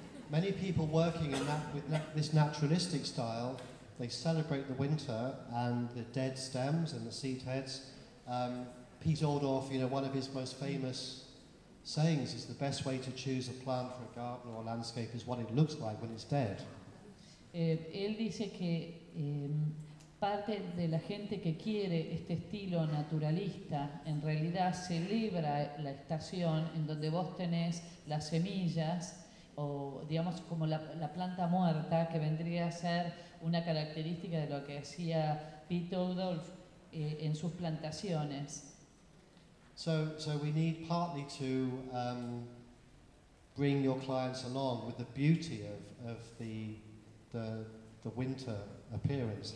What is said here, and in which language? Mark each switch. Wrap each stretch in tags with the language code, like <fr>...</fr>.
<en>Many people working in that, with this naturalistic style, they celebrate the winter and the dead stems and the seed heads. Pete Oldorf, you know, one of his most famous sayings is the best way to choose a plant for a garden or a landscape is what it looks like when it's dead.</en> <es>Él dice que parte de la gente que quiere este estilo naturalista en realidad celebra la estación en donde vos tenés las semillas o digamos como la planta muerta que vendría a ser una característica de lo que hacía Pete Oldorf en sus plantaciones.</es> <en>So we need partly to bring your clients along with the beauty of the winter appearance.</en>